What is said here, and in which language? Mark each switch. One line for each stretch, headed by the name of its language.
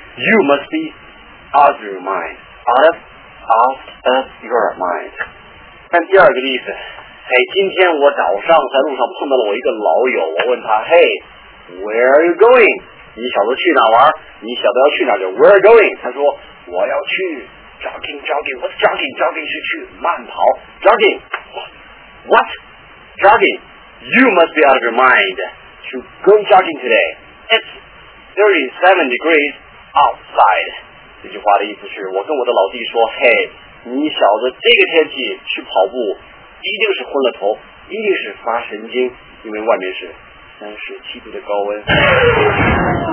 English: you must be out of your mind， out of your mind。
Chinese: 看第二个例子，嘿，今天我早上在路上碰到了我一个老友，我问他
English: Hey， where are you going？
Chinese: 你小子去哪玩，你小子要去哪就
English: where are you going，
Chinese: 他说我要去 jogging，
English: what's jogging？ jogging
Chinese: 是去慢跑，
English: jogging， what jogging？ You must be out of your mind to go jogging today， it's 37 degrees outside。
Chinese: 这句话的意思是我跟我的老弟说，嘿，你小子这个天气去跑步一定是昏了头，一定是发神经，因为外面是37度的高温。